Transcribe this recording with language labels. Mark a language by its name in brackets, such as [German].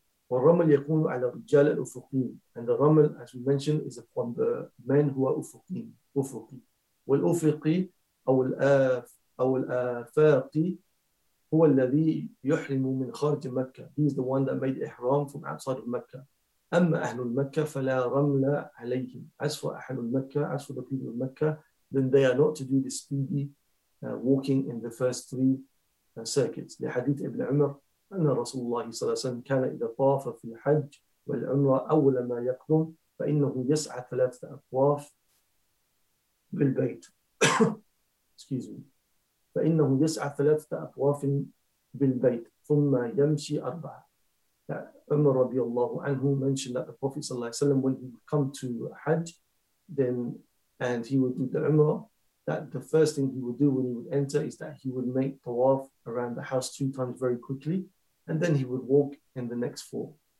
[Arabic] وَالرَّمَلْ يَكُونُ عَلَى الرِّجَالَ الْأُفُقِينَ [English] And the Ramal, as we mentioned, is upon the men who are [Arabic] أُفُقِينَ أُفُقِي وَالْأُفِقِي أَوَ الْآفَاقِي هُوَ الَّذِي يُحْرِمُ مِنْ خَارِجِ مَكَّةِ [English] He is the one that made ihram from outside of Mecca. [Arabic] أَمَّا أَهْلُ الْمَكَّةِ فَلَا رَمْلَ عَلَيْهِمْ [English] As for [Arabic] أَهْلُ الْمَكَّةِ, [English] as for the people of Mecca, then they are not to do the speedy walking in the first three circuits. [Arabic] The hadith Ibn Umar, أن رسول الله صلى الله عليه وسلم كان إذا طاف في الحج والعمرة أول ما يقدم فإنه يسعى ثلاثة أطواف بالبيت. [English] Excuse me. [Arabic] فإنه يسعى ثلاثة أطواف بالبيت ثم يمشي أربعة. [English] Umar رضي الله عنه mentioned that the Prophet صلى الله عليه وسلم when he would come to Hajj, then and he would do the Umrah, that the first thing he would do when he would enter is that he would make tawaf around the house two times very quickly, and then he would walk in the next four.